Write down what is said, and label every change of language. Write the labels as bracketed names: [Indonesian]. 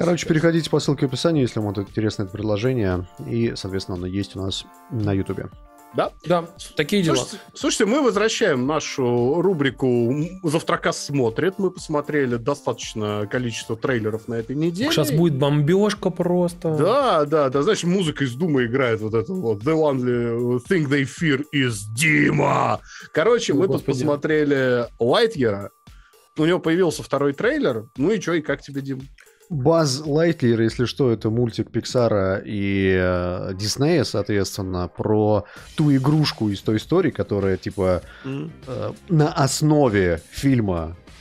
[Russian] Короче, сейчас переходите по ссылке в описании, если вам это интересно, это предложение, и, соответственно, оно есть у нас на Ютубе. Да, да, такие дела. Слушайте, мы возвращаем нашу рубрику «Завтракас смотрит». Мы посмотрели достаточно количество трейлеров на этой неделе. Сейчас будет бомбежка просто. Да, да, да. Знаешь, музыка из Дума играет вот это вот. [English] The only thing they fear is Дима. [Russian] Короче, мы тут посмотрели Лайтьера. У него появился второй трейлер. Ну и что, и как тебе, Дим? Buzz Lightyear, если что, это мультик Пиксара и Диснея, соответственно, про ту игрушку из той истории, которая, типа, на основе фильма